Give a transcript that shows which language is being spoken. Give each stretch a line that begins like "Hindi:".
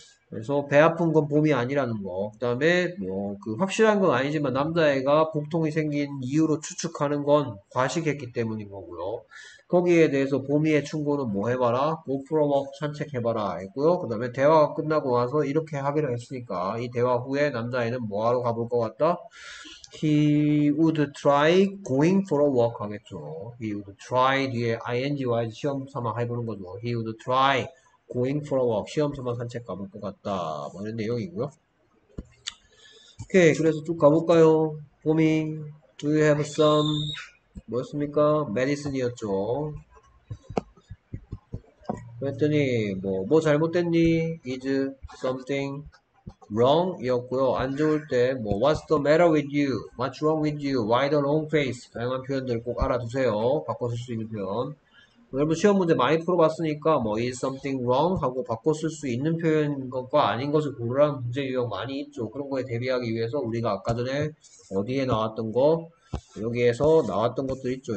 Korean: 그래서 배 아픈 건 봄이 아니라는 거. 그다음에 뭐그 확실한 건 아니지만 남자애가 복통이 생긴 이유로 추측하는 건 과식했기 때문인 거고요. 거기에 대해서 봄이의 충고는 뭐 해봐라, 오프로워크 산책해봐라 했고요. 그다음에 대화가 끝나고 와서 이렇게 하기로 했으니까 이 대화 후에 남자애는 뭐 하러 가볼 것 같다?
English: He would try going for a walk
Korean: 하겠죠.
English: He would try
Korean: 뒤에 ingy 시험 삼아 해보는 거죠.
English: He would try going for a walk.
Korean: 시험삼아 산책 가볼 것 같다. 뭐 이런 내용이고요. 오케이. 그래서 쭉 가볼까요? 봄이,
English: do you have some,
Korean: 뭐였습니까? medicine이었죠. 그랬더니, 뭐 잘못됐니?
English: is something wrong?
Korean: 이었고요. 안 좋을 때, 뭐,
English: what's the matter with you? what's wrong with you? why the long face?
Korean: 다양한 표현들 꼭 알아두세요. 바꿔 쓸수 있는 표현. 여러분, 시험 문제 많이 풀어봤으니까, 뭐,
English: is something wrong?
Korean: 하고 바꿔 쓸수 있는 표현인 것과 아닌 것을 고르라는 문제 유형 많이 있죠. 그런 거에 대비하기 위해서 우리가 아까 전에 어디에 나왔던 거, 여기에서 나왔던 것들 있죠.